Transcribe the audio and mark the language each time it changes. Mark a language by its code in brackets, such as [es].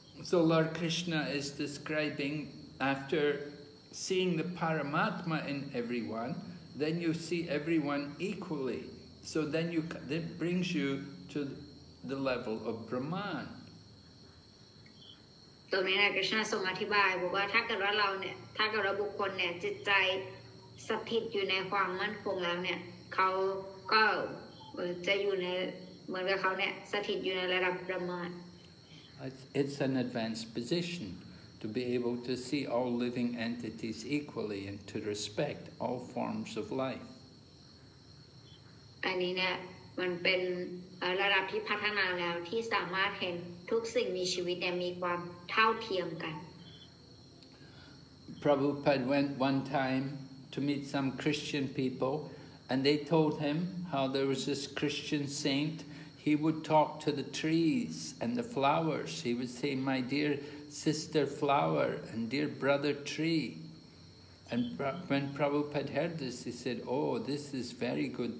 [en] So Lord Krishna is describing after seeing the Paramatma in everyone, then you see everyone equally. So then you, that brings you to the level of Brahman. So in that Krishna so much by [th] บอกว่าถ้าเกิดว่าเราเนี่ยถ้าเกิดว่าบุคคลเนี่ยจิตใจสถิตอยู่ในความมั่นคงแล้วเนี่ยเขาก็จะอยู่ในเหมือนกับเขาเนี่ยสถิตอยู่ในระดับ Brahman. [en] It's an advanced position to be able to see all living entities equally and to respect all forms of life. [th] อันนี้เนี่ยมันเป็นระดับที่พัฒนาแล้วที่สามารถเห็นทุกสิ่งมีชีวิตเนี่ยมีความเท่าเทียมกัน [en] Prabhupada went one time to meet some Christian people and they told him how there was this Christian saint he would talk to the trees and the flowers he would say my dear sister flower and dear brother treeAnd when Prabhupada heard this, he said, oh, this is very good.